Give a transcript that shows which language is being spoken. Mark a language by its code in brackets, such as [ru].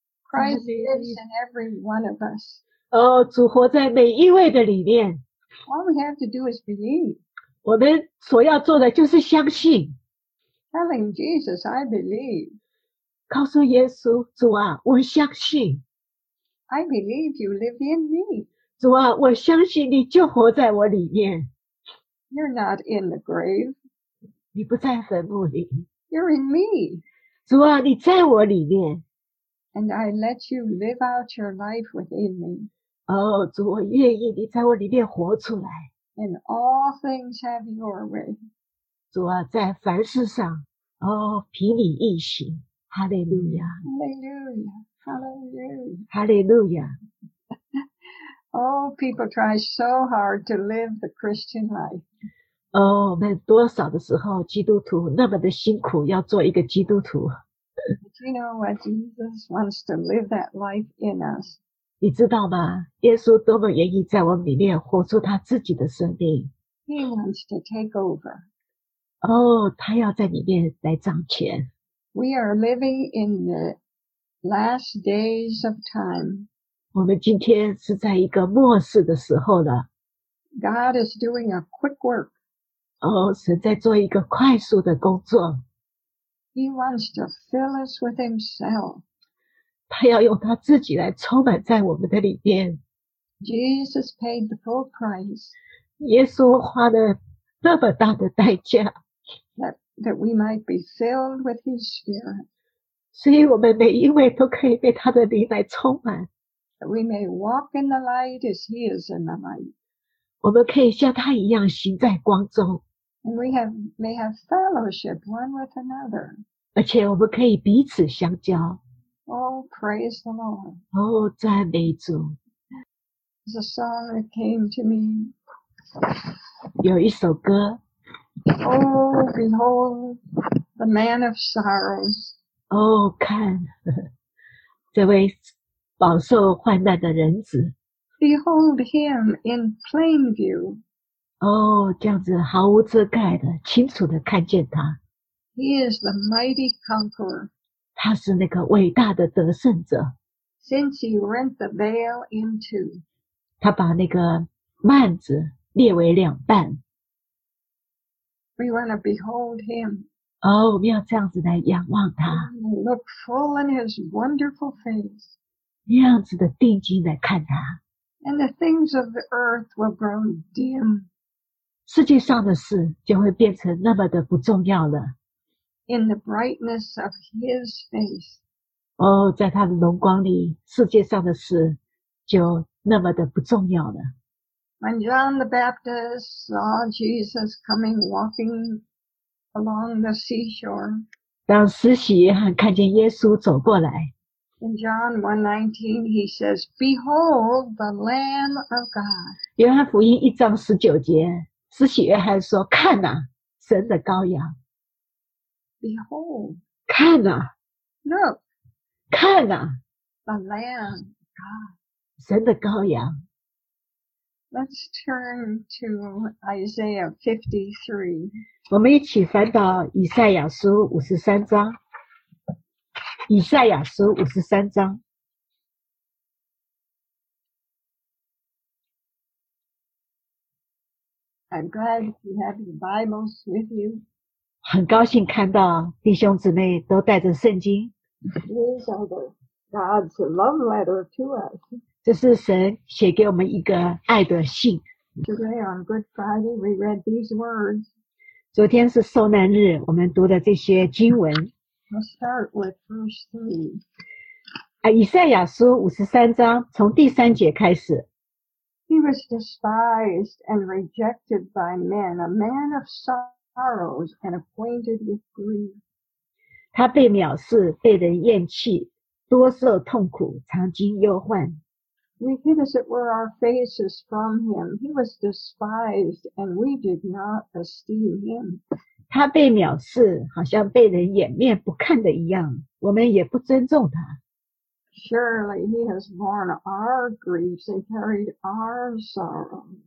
[en] Christ lives in every one of us。 [zh] 哦，主活在每一位的里面。 [en] All we have to do is believe. [zh] 我们所要做的就是相信。 [en] Telling Jesus, I believe. [zh] 告诉耶稣，主啊，我相信。 [en] I believe you live in me. [zh] 主啊，我相信你就活在我里面。 [en] You're not in the grave. [zh] 你不在坟墓里。 [en] You're in me. [zh] 主啊，你在我里面。 [en] And I let you live out your life within me. [zh] 哦，主，我愿意你在我里面活出来。 [en] And all things have your way. [zh] 主啊，在凡事上，哦，凭你意行。哈利路亚。哈利路亚。哈利路亚。哈利路亚。 [en] Oh, people try so hard to live the Christian life. [zh] 哦，我们多少的时候，基督徒那么的辛苦，要做一个基督徒。 [en] But you know what? Jesus wants to live that life in us. [zh] 你知道吗？耶稣多么愿意在我们里面活出他自己的生命。 [en] He wants to take over. [zh] 哦，他要在里面来掌权。 [en] We are living in the last days of time. [zh] 我们今天是在一个末世的时候了。 [en] God is doing a quick work. [zh] 哦，神在做一个快速的工作。 [en] He wants to fill us with himself. [zh] 他要用他自己来充满在我们的里面。 [en] Jesus paid the full price. [zh] 耶稣花了那么大的代价。 [en] That we might be filled with his spirit. [zh] 所以我们每一位都可以被他的灵来充满。 [en] That we may walk in the light as he is in the light. [zh] 我们可以像他一样行在光中。 [en] And we may have fellowship one with another. [zh] 而且我们可以彼此相交。 [en] Oh, praise the Lord. [zh] Oh, 赞美主。 [en] There's a song that came to me. [zh] 有一首歌。 [en] Oh, behold, the man of sorrows. [zh] Oh, 看这位饱受患难的人子。 [en] Behold him in plain view. [zh] Oh, 这样子毫无遮盖的清楚的看见他。 [en] He is the mighty conqueror. [zh] 他是那个伟大的得胜者。 [en] Since he rent the veil in two. [zh] 他把那个幔子裂为两半。 [en] We want to behold him. [zh] 哦，我们要这样子来仰望他。 [en] Look full in his wonderful face. [zh] 那样子的定睛来看他。 [en] And the things of the earth will grow dim. [zh] 世界上的事就会变成那么的不重要了。 [en] In the brightness of his face. [zh] 哦，在他的荣光里，世界上的事就那么的不重要了。 [en] When John the Baptist saw Jesus coming walking along the seashore. [zh] 当施洗约翰看见耶稣走过来。 [en] In John 1:19, he says, "Behold, the Lamb of God." [zh] 约翰福音一章十九节，施洗约翰说：“看哪、啊，神的羔羊。 [en] ”Behold， [zh] 看哪、 [en] 啊、，Look， [zh] 看哪、 [en] 啊、，The Lamb of God， [zh] 神的羔羊。 [en] Let's turn to Isaiah 53. [zh] 我们一起翻到以赛亚书五十三章。以赛亚书五十三章。 [en] I'm glad you have your Bibles with you. [zh] 很高兴看到弟兄姊妹都带着圣经。 [en] These are the God's love letter to us. [zh] 这是神写给我们一个爱的信。 [en] Today on Good Friday, we read these words. [zh] 昨天是受难日，我们读的这些经文。 [en] Let's start with verse 3. [zh] 以赛亚书五十三章从第三节开始。 [en] He was despised and rejected by men, a man of sorrows and acquainted with grief. [zh] 他被藐视，被人厌弃，多受痛苦，常经忧患。 [en] We hid as it were our faces from him. He was despised and we did not esteem him. [zh] 他被藐视，好像被人掩面不看的一样，我们也不尊重他。 [en] Surely he has borne our griefs and carried our sorrows.